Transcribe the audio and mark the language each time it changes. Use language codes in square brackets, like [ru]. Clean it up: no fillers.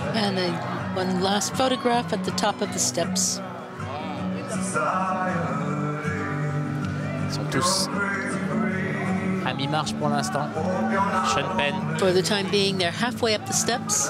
[en] And a one last photograph at the top of the steps. [fr] Ils sont tous à mi-marche pour l'instant. Sean Penn. [en] For the time being, they're halfway up the steps.